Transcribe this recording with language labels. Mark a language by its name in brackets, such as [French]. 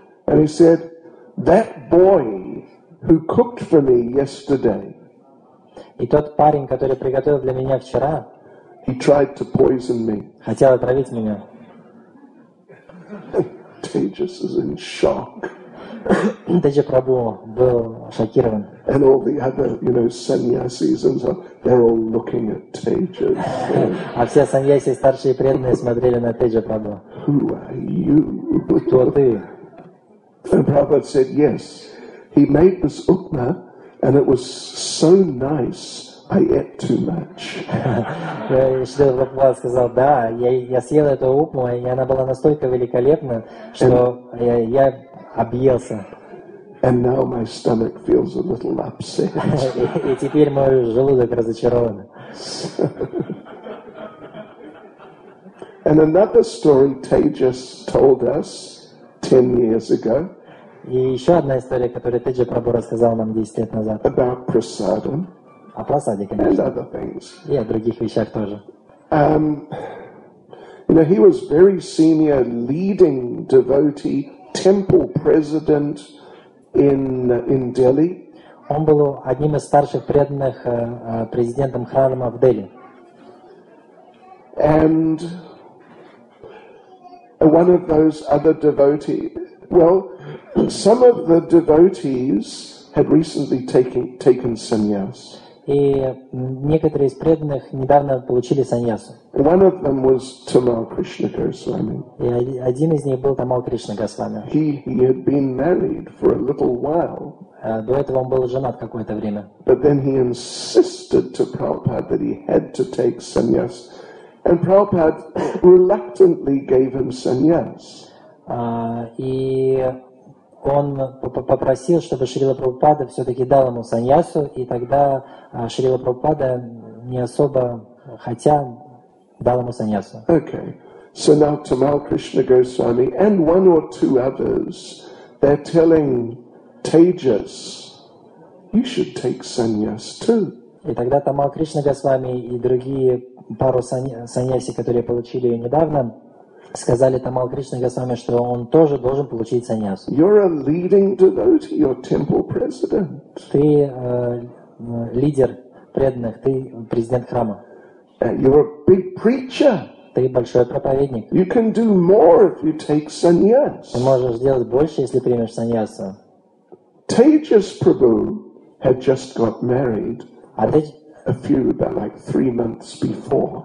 [English] And he said, "That boy who cooked for me yesterday." [Russian] И тот парень, который приготовил для меня вчера, [English] he tried to poison me. [Russian] Хотел отравить меня. [English] Tejas is in shock. [Russian] Теджа Прабху был шокирован. [English] And all the other, you know, sannyasis and so, they're all looking at Tejas. [Russian] А все саньяси, старшие преданные, смотрели на Теджа Прабху. [English] Who are you? [Russian] Кто ты? [English] And Prabhupada said, yes, he made this upma. And it was so nice. I ate too much. [Russian] Шрила Прабхупада сказал, да, я съел эту упму, и она была настолько великолепна, что я объелся. [English] And now my stomach feels a little upset. [Russian] И теперь мой желудок разочарован. [English] And another story Tejas told us 10 years ago. [Russian] И еще одна история, которую Теджа Прабху рассказал нам 10 лет назад. [English] About prasadam. [Russian] О прасаде, конечно. [English] And other things. [Russian] И о других вещах тоже. [English] You know, he was very senior leading devotee temple president in Delhi. [Russian] Он был одним из старших преданных президентом храма в Дели. [English] And one of those other devotees. Well, some of the devotees had recently taken sannyas. [Russian] И некоторые из преданных недавно получили саньясу. [English] One of them was Tamal Krishna Goswami. [Russian] И один из них был Тамал Кришна Госвами. [English] He had been married for a little while. [Russian] До этого он был женат какое-то время. [English] But then he insisted to Prabhupada that he had to take sannyas, and Prabhupada reluctantly gave him sannyas. [Russian] И он попросил, чтобы Шрила Прабхупада все-таки дал ему саньясу, и тогда Шрила Прабхупада не особо хотя дал ему саньясу. [English] Okay, so now Tamal Krishna Goswami and one or two others, they're telling Tejas, you should take sannyas too. [Russian] И тогда Тамал Кришна Госвами и другие пару саньяси, которые получили недавно, сказали Тамал Кришна Госвами, что он тоже должен получить саньясу. [English] You're a leading devotee, you're temple president. [Russian] Ты лидер преданных, ты президент храма. [English] You're a big preacher. [Russian] Ты большой проповедник. [English] You can do more if you take sannyas. [Russian] Ты можешь сделать больше, если примешь саньясу. [English] Tejas Prabhu had just got married three months before.